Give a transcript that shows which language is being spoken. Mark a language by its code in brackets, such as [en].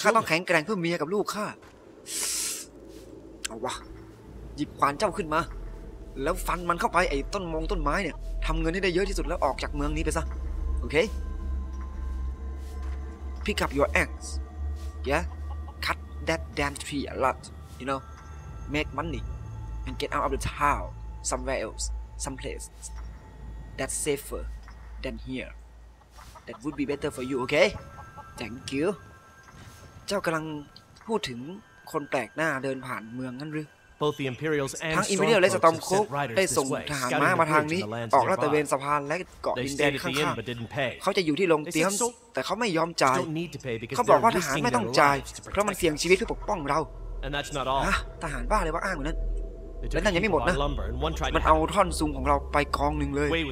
[th] ข้าต้องแข็งแกร่งเพื่อเมียกับลูกข้าเอาวะหยิบขวานเจ้าขึ้นมาแล้วฟันมันเข้าไปไอ้ต้นมงต้นไม้เนี่ยทำเงินให้ได้เยอะที่สุดแล้วออกจากเมืองนี้ไปซะโอเค [en] Pick up your axe, yeah. Cut that damn tree a lot, you know. Make money and get out of the town somewhere else, someplace that's safer than here. That would be better for you, okay? Thank you. [th] จ้ากำลังพูดถึงคนแปลกหน้าเดินผ่านเมืองนั่นหรือ [en] Both the Imperials and [th] ทั้ง Imperials และ Stormcloaks ได้ส่งทหารม้ามาทางนี้ออกลาดตระเวนสะพานและเกาะดินแดนข้างๆเขาจะอยู่ที่ลงเตี้ยมแต่เขาไม่ยอมจ่ายเขาบอกว่าทหารไม่ต้องจ่ายเพราะมันเสี่ยงชีวิตเพื่อปกป้องเราทหารบ้าเลยว่าอ้างแบบนั้นและนั่นยังไม่หมดนะมันเอาท่อนซุงของเราไปกองหนึ่งเลย